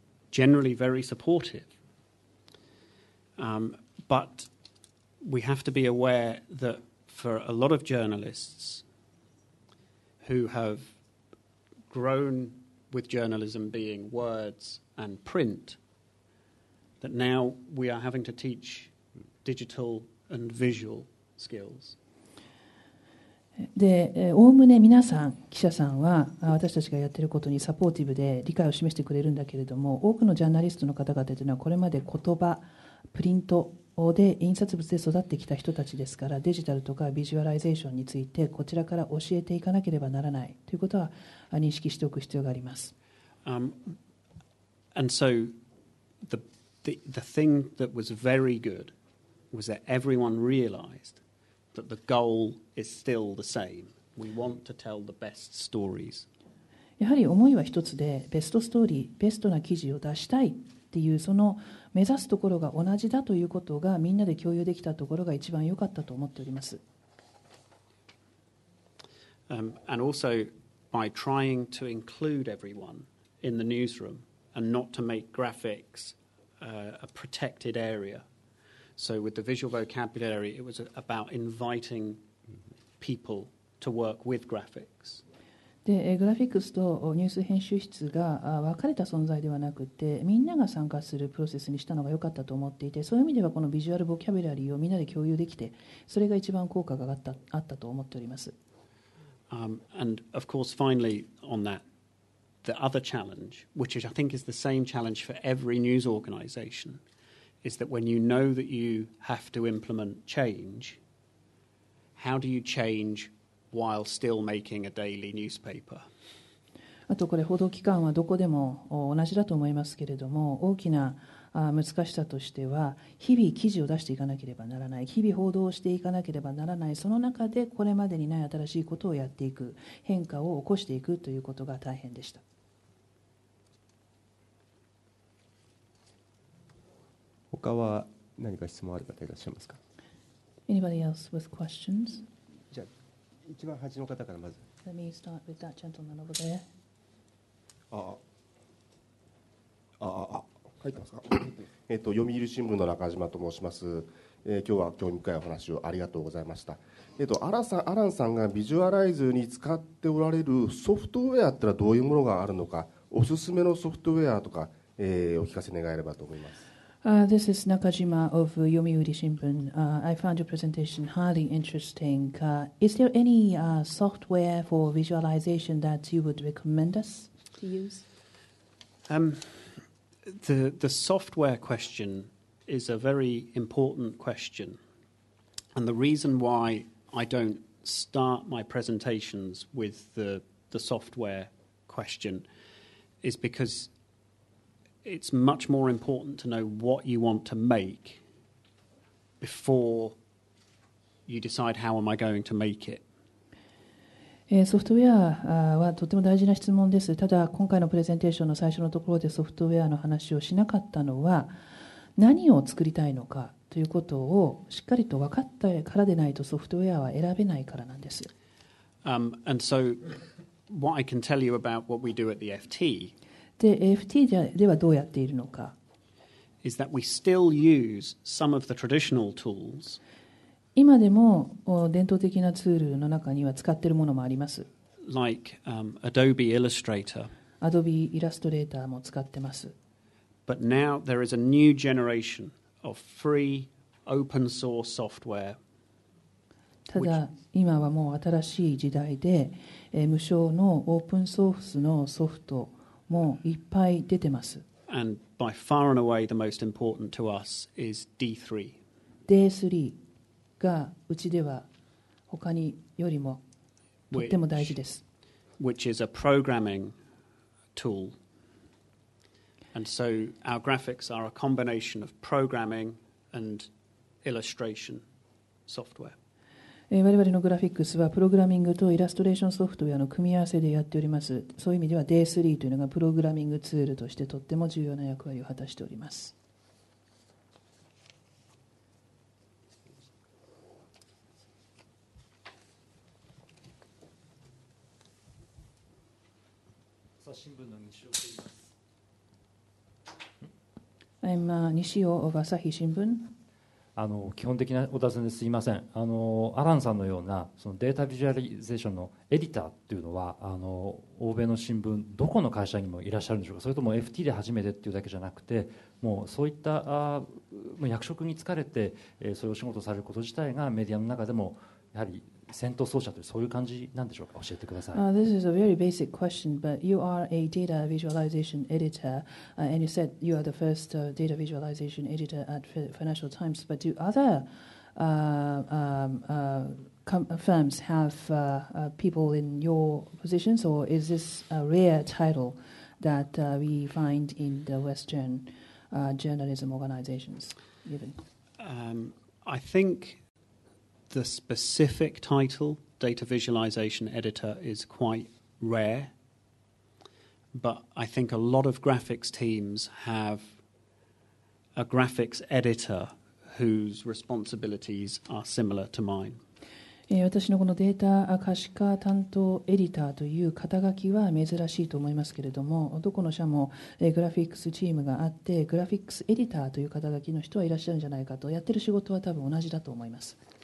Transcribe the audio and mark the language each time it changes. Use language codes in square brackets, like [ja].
[en] Generally very supportive, but we have to be aware that for a lot of journalists who have grown with journalism being words and print, that now we are having to teach digital and visual skills. [ja] で、概ね皆さん記者さんは私たちがやっていることにサポーティブで理解を示してくれるんだけれども、多くのジャーナリストの方々というのはこれまで言葉プリントで印刷物で育ってきた人たちですから、デジタルとかビジュアライゼーションについてこちらから教えていかなければならないということは認識しておく必要があります。 [en] And so the thing that was very good was that everyone realized. That the goal is still the same. We want to tell the best stories. [ja] やはり思いは一つで、ベストストーリー、ベストな記事を出したいっていうその目指すところが同じだということがみんなで共有できたところが一番良かったと思っております。 [en] And also by trying to include everyone in the newsroom and not to make graphics a protected area. So with the visual vocabulary, it was about inviting people to work with graphics. [ja] で、グラフィックスとニュース編集室が分かれた存在ではなくて、みんなが参加するプロセスにしたのが良かったと思っていて、そういう意味ではこのビジュアルボキャブラリーをみんなで共有できて、それが一番効果があったと思っております。 [en] And of course, finally, on that, the other challenge, which I think is the same challenge for every news organization, is that when you know that you have to implement change, how do you change? While still making a daily newspaper. [ja] あとこれ報道機関はどこでも同じだと思いますけれども、大きな難しさとしては日々記事を出していかなければならない、日々報道をしていかなければならない、その中でこれまでにない新しいことをやっていく、変化を起こしていくということが大変でした。他は何か質問ある方いらっしゃいますか。 [en] Anybody else with questions? [ja] 一番端の方からまず。 [en] Let me start with that gentleman over there. [ja] ああ、書いてますか。読売新聞の中島と申します。今日は興味深いお話をありがとうございました。アランさんがビジュアライズに使っておられるソフトウェアってのはどういうものがあるのか、おすすめのソフトウェアとか、お聞かせ願えればと思います。 [en] This is Nakajima of Yomiuri Shimbun. I found your presentation highly interesting. Is there any software for visualization that you would recommend us to use? The software question is a very important question. And the reason why I don't start my presentations with the software question is becauseIt's much more important to know what you want to make before you decide how am I going to make it. [ja] ソフトウェアはとても大事な質問です。ただ今回のプレゼンテーションの最初のところでソフトウェアの話をしなかったのは、何を作りたいのかということをしっかりと分かったからでないとソフトウェアは選べないからなんです。 [en] And so what I can tell you about what we do at the FT. [ja] で、FT ではどうやっているのか。 [en] Is that we still use some of the traditional tools. [ja] 今でも伝統的なツールの中には使っているものもあります。 [en] Like, Adobe Illustrator. [ja] Adobe Illustrator も使ってます。 [en] But now there is a new generation of free open source software. [ja] ただ、今はもう新しい時代で、無償のオープンソースのソフトもういっぱい出てます。 [en] And by far and away the most important to us is D3. [ja] D3 がうちでは他によりもとっても大事です。 [en] Which is a programming tool. And so our graphics are a combination of programming and illustration software. [ja] 我々のグラフィックスはプログラミングとイラストレーションソフトウェアの組み合わせでやっております。そういう意味では D3 というのがプログラミングツールとしてとっても重要な役割を果たしております。朝日新聞の西尾と言います。 [en] 西尾 of 朝日新聞。 [ja] 基本的なお尋ねですいません。アランさんのようなそのデータビジュアリゼーションのエディターっていうのは欧米の新聞どこの会社にもいらっしゃるんでしょうか。それとも FT で初めてっていうだけじゃなくて、もうそういった役職に就かれて、そういうお仕事をされること自体がメディアの中でもやはり先頭走者というそういう感じなんでしょうか。教えてください。 [en] This is a very basic question, but you are a data visualization editor, and you said you are the first data visualization editor at Financial Times. But do other firms have people in your positions, or is this a rare title that we find in the Western journalism organizations? Even. I think. The specific title, Data Visualization Editor, is quite rare. But I think a lot of graphics teams have a graphics editor whose responsibilities are similar to mine. [ja] 私のこのデータ可視化担当エディターという肩書きは珍しいと思いますけれども、どこの社もグラフィックスチームがあって、グラフィックスエディターという肩書きの人はいらっしゃるんじゃないかと、やってる仕事は多分同じだと思います。